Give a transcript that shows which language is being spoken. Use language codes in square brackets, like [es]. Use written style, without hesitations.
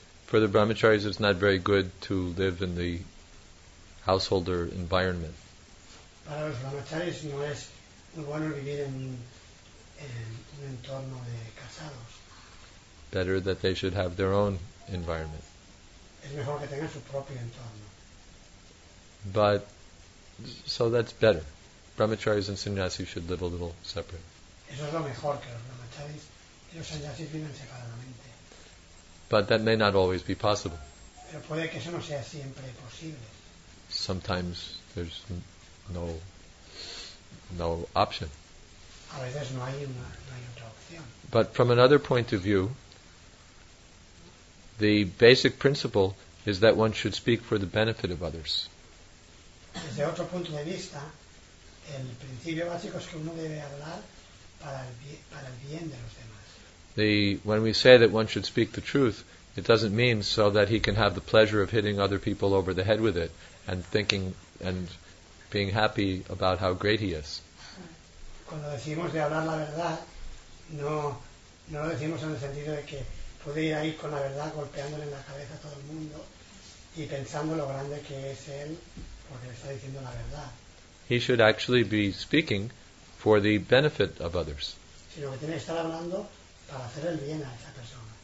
[en] For the brahmacharis, it's not very good to live in the householder environment. [es] Para los brahmacharis no es muy bueno vivir en un entorno de casados. [en] Better that they should have their own environment. [es] Es mejor que tengan su propio entorno. [en] But, so that's better. Brahmacharis and sannyasis should live a little separate. [es] Eso es lo mejor, que los brahmacharis y los sannyasis viven separadamente. [en] But that may not always be possible. [es] Pero puede que eso no sea siempre posible. [en] Sometimes there's no option. [es] A veces no hay otra opción. [en] But from another point of view, the basic principle is that one should speak for the benefit of others. [es] Desde otro punto de vista, el principio básico es que uno debe hablar para el bien de los demás. [en] When we say that one should speak the truth, it doesn't mean so that he can have the pleasure of hitting other people over the head with it and thinking and being happy about how great he is. [es] Cuando decimos de hablar la verdad, no lo decimos en el sentido de que puede ir ahí con la verdad golpeándole en la cabeza a todo el mundo y pensando lo grande que es él porque le está diciendo la verdad. [en] He should actually be speaking for the benefit of others. [es] Sino que tiene que estar hablando para hacer el bien a esa persona.